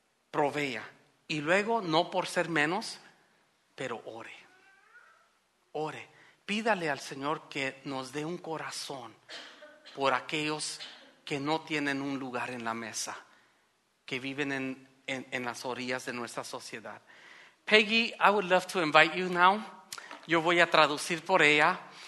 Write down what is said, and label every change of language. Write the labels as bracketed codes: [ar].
[es] Provea. Y luego, no por ser menos, pero ore. Ore. Pídale al Señor que nos dé un corazón por aquellos que no tienen un lugar en la mesa, que viven en las orillas de nuestra sociedad. [en] Peggy, I would love to invite you now. [es] Yo voy a traducir por ella.